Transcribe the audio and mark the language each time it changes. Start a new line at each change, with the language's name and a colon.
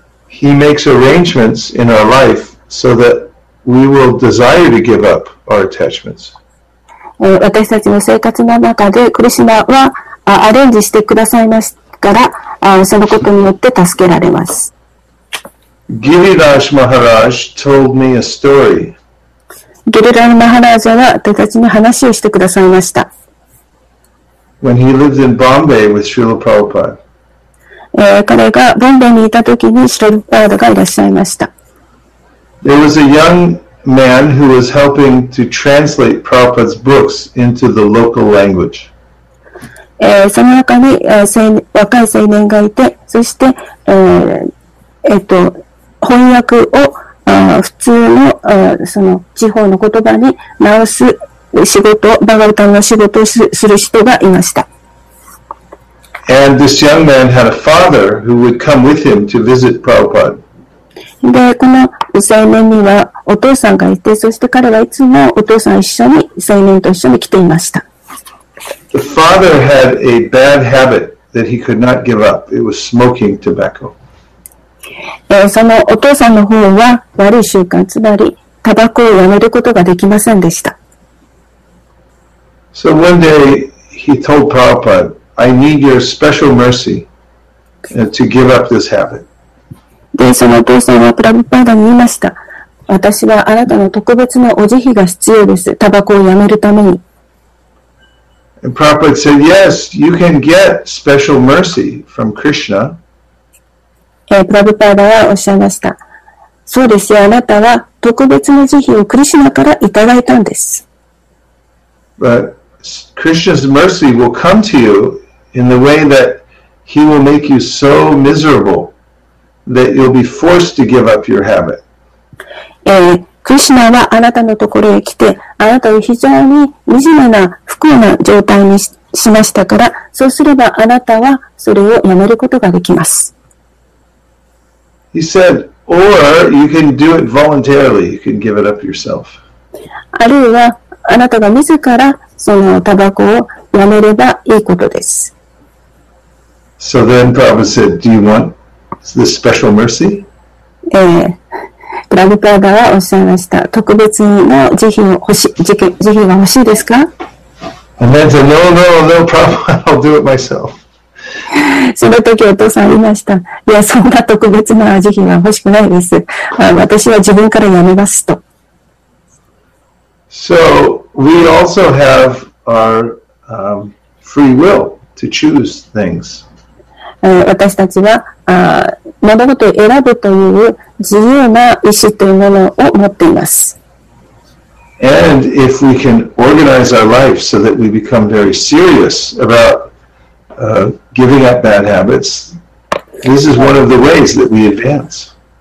English: He makes arrangements in our life so that we will desire to give up our attachments.
Japanese: 私たちの生活の中でクリシュナはアレンジしてくださいますから、そのことによって助けられます。
English: Giriraj Maharaj told me a story.
Japanese: ギリラジ・マハラージャは私たちに話をしてくださいました。
English: When he lived in Bombay with Srila Prabhupada.
Japanese: 彼がボンベイにいたときにシュラル・プラーパダがいらっしゃいました。
English: There was a young man who was helping to translate Prabhupada's books into the local language.
Japanese: その中に若い青年がいて、そして、翻訳を普通の、その地方の言葉に直す仕事を、バガルタンの仕事をする人がいました。
English: And this young man had a father who would come with him to visit Prabhupada.
Japanese: で、この青年にはお父さんがいて、そして彼はいつもお父さん一緒に、青年と一緒に来ていました。
English: The father had a bad habit that he could not give up. It was smoking tobacco.
Japanese: そのお父さんの方は悪い習慣、つまりタバコをやめることができませんでした。
English: So one day he told Prabhupada,I need your special mercy to give up this habit.
Japanese: で、そのお父さんはプラブパーダに言いました。私はあなたの特別なお慈悲が必要です。タバコをやめるために。
English: And Prabhupada said, yes, you can get special mercy from Krishna.
Japanese: プラブパーダはおっしゃいました。そうですよ、あなたは特別な慈悲をクリシナからいただいたんです。
English: But,Krishna's mercy will come to you in the way that he will make you so miserable that you'll be forced to give up your habit.
Japanese: Krishna はあなたのところへ来て、あなたを非常に惨めな不幸な状態にしましたから、そうすればあなたはそれをやめることができます。
English: He said, or you can do it voluntarily. You can give it up yourself.
Japanese: あるいはあなたが自らそのタバコをやめればいいことです。
English: So then Prabhupada said, Do you want this special mercy?
Japanese: プラブパーダはおっしゃいました。特別の慈悲が欲しいですか?
English: And then said, No, no, no, Prabhupada, I'll do it myself.
Japanese: その時お父さん言いました。いや、そんな特別な慈悲は欲しくないです。私は自分からやめますと。
English: So we also have our free will to choose things.
Japanese: 私たちは物事を選ぶという自由な意志というものを持っています。
English: And if we can organize our life so that we become very serious about giving up bad habits. This is one of the ways that we advance.